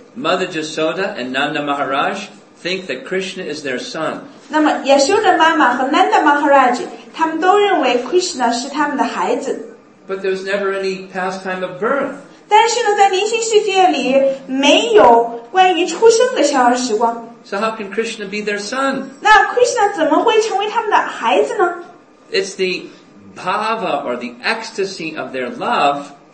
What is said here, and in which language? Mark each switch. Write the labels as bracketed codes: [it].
[en] Mother Yashoda and Nanda Maharaj think that Krishna is their son. [zh] 那么 Yashoda 妈妈和 Nanda Maharaj 他们都认为 Krishna 是他们的孩子。 [en] But there was never any pastime of birth. [zh] 但是呢在灵性世界里没有关于出生的逍遥时光。 [en] So how can Krishna be their son? [zh] 那 Krishna 怎么会成为他们的孩子呢? [en] It's the bhava or the ecstasy of their love.